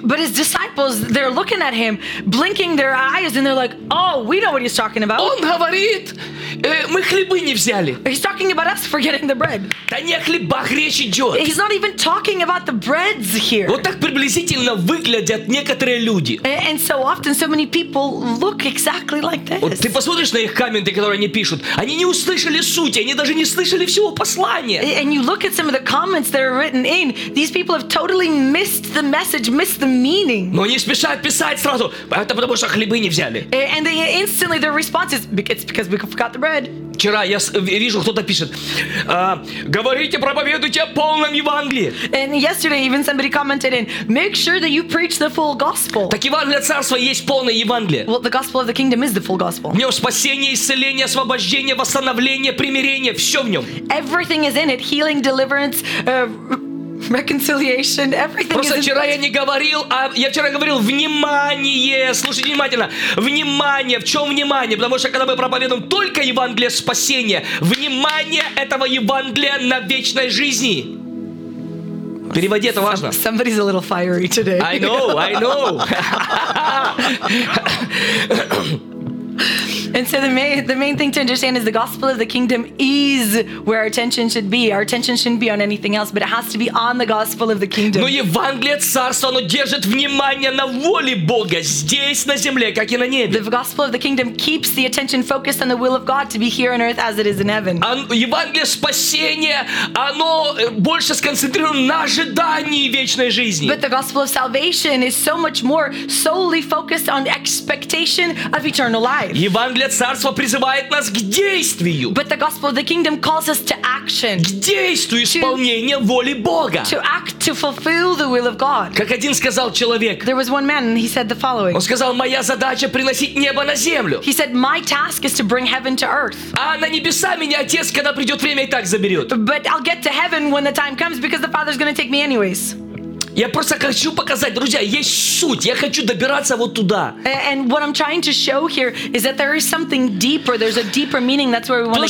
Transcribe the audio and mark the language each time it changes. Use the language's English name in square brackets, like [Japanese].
[English] But his disciples, they're looking at him, blinking their eyes, and they're like, oh, we know what he's talking about. [Russian] Он говорит, мы хлебы не взяли. [English] He's talking about us forgetting the bread. [Russian] Да не о хлебах речь идет. [English] He's not even talking about the breads here. [Russian] Вот так приблизительно выглядят некоторые люди. [English] And so often, so many people look exactly like this. [Russian] Вот ты посмотришь на их комменты, которые они пишут. Они не услышали сути, они даже не слышали всего послания. [English] And you look at some of the comments that are written in, these people have totally missed the message, missed the meaning. [Russian] Но они спешат писать сразу, это потому что хлебы не взяли. [English] And they instantly their response is, it's because we forgot the bread. [Russian] Вчера я вижу, кто-то пишет, говорите, проповедуйте о полном Евангелии. [English] And yesterday even somebody commented in, make sure that you preach the full gospel. [Russian] Так Евангелие Царства есть полное Евангелие. [English] Well, the gospel of the kingdom is the full gospel. [Russian] В нем спасение, исцеление, освобождение, восстановление, примирение, все в нем. [English] Everything is in it, healing, deliverance, reconciliation, everything. [Russian] Просто вчера я не говорил, а я вчера говорил внимание. Слушайте внимательно. Внимание. В чем внимание? Потому что когда мы проповедуем только Евангелие спасения, внимание этого Евангелия на вечной жизни. Переводи, это важно. [English] Somebody's a little fiery today. I know. And so the main thing to understand is the gospel of the kingdom is where our attention should be. Our attention shouldn't be on anything else, but it has to be on the gospel of the kingdom. [Russian] Но Евангелие Царства, оно держит внимание на воле Бога здесь, на земле, как и на небе. [English] The gospel of the kingdom keeps the attention focused on the will of God to be here on earth as it is in heaven. [Russian] Евангелие спасения, оно больше сконцентрировано на ожидании вечной жизни. [English] But the gospel of salvation is so much more solely focused on expectation of eternal life. [Russian] Евангелие Царства призывает нас к действию. [English] But the gospel of the kingdom calls us to action. [Russian] К действию, исполнение воли Бога. [English] To act, to fulfill the will of God. [Russian] Как один сказал человек. [English] There was one man and he said the following. [Russian] Он сказал, моя задача приносить небо на землю. [English] He said, my task is to bring heaven to earth. [Russian] А на небеса меня Отец, когда придет время, и так заберет. [English] But I'll get to heaven when the time comes because the Father's going to take me anyways. [Russian] Я просто хочу показать, друзья, есть суть. Я хочу добираться вот туда. [English] And what I'm trying to show here is that there is something deeper. There's a deeper meaning. That's where we want to get to.